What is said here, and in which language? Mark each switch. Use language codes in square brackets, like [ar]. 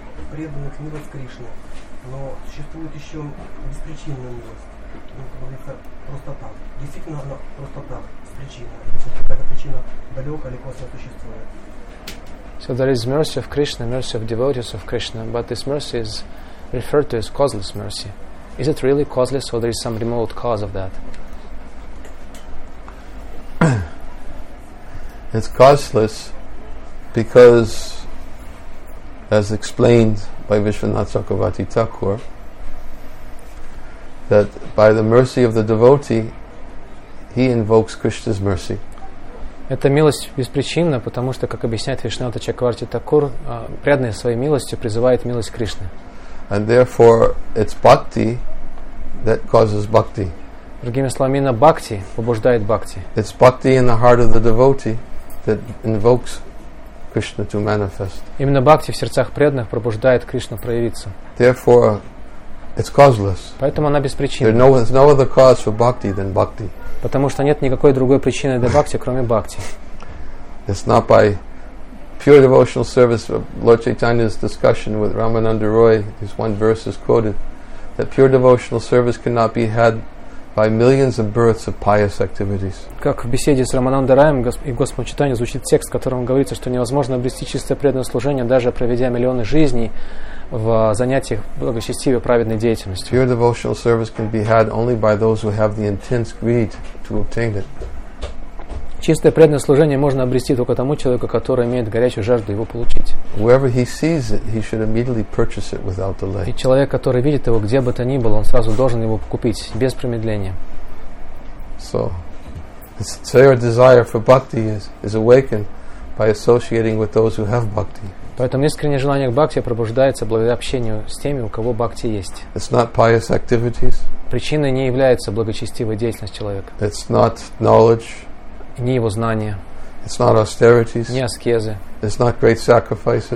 [ru] Преданных милость Кришны, но существует еще беспричинная милость. Ну, как говорится, просто так. Действительно, она просто так, с причиной. Если какая-то причина далеко или косвенно существует. [en] So there is mercy of Krishna, mercy of devotees of Krishna, but this mercy is referred to as causeless mercy. Is it really causeless, or there is some remote cause of that? It's causeless because, as explained by Vishwanath Chakravarti Thakur, that by the mercy of the devotee, he invokes Krishna's mercy. [ru] Эта милость беспричинна, потому что, как объясняет Вишванатха Чакраварти Такур, преданный своей милостью призывает милость Кришны. [en] And therefore, it's bhakti that causes bhakti. [ru] Другими словами, именно бхакти побуждает бхакти. [en] It's bhakti in the heart of the devotee that invokes Krishna to manifest. [ru] Именно бхакти в сердцах преданных пробуждает Кришну проявиться. [en] Therefore, it's causeless. [ru] Поэтому она беспричинна. [en] There's no other cause for bhakti than bhakti. [ru] Потому что нет никакой другой причины для бхакти, кроме бхакти. [en] It's not by pure devotional service. Lord Chaitanya's discussion with Ramananda Roy, his one verse is quoted, that pure devotional service cannot be had by millions of births of pious activities. [ru] Как в беседе с Рамананда Раем и Господом Читанием звучит текст, в котором говорится, что невозможно обрести чистое преданное служение, даже проведя миллионы жизней в занятиях благочестивой праведной деятельностью. [en] Pure devotional service can be had only by those who have the intense greed to obtain it. [ru] Чистое преданное служение можно обрести только тому человеку, который имеет горячую жажду его получить. [en] Whoever he sees it, he should immediately purchase it without delay. [ru] И человек, который видит его, где бы то ни было, он сразу должен его купить без промедления. [en] So, the sincere desire for bhakti is awakened by associating with those who have bhakti. [ru] Поэтому искреннее желание к бхакти пробуждается благодаря общению с теми, у кого бхакти есть. [en] It's not pious activities. [ru] Причиной не является благочестивая деятельность человека. [en] It's not knowledge. [ru] Не его знания. [en] It's not austerities. [ru] Не аскезы. [en] It's not great sacrifices.